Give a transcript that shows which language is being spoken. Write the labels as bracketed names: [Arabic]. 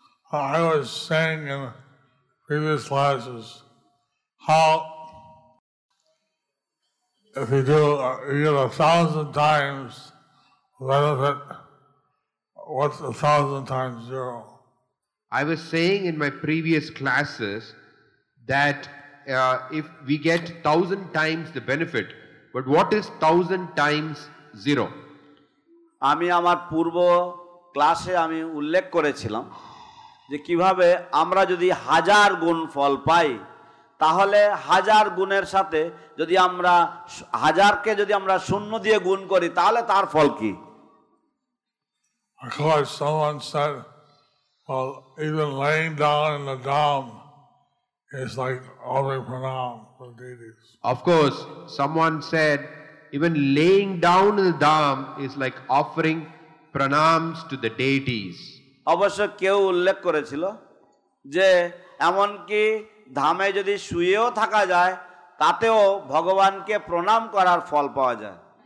[English] I was saying in previous classes how if you do it 1,000 times, benefit. What's 1,000 times 0? I was saying in my previous classes that if we get 1,000 times the benefit, but what is 1,000 times zero? [Bangla] আমি আমার পূর্ব ক্লাসে আমি উল্লেখ করেছিলাম যে কিভাবে আমরা যদি হাজার গুণ ফল পাই তাহলে হাজার গুণের সাথে যদি আমরা হাজারকে যদি আমরা শূন্য দিয়ে গুণ করি তাহলে তার ফল কি? [English] Because someone said, well, even laying down in the dham is like offering pranam for deities. Of course, someone said, even laying down in the dham is like offering pranams to the deities. [Bangla] অবশ্য কেউ উল্লেখ করেছিল যে এমনকি ধামে যদি শুয়েও থাকা যায় তাতেও ভগবানকে প্রণাম করার ফল পাওয়া যায়।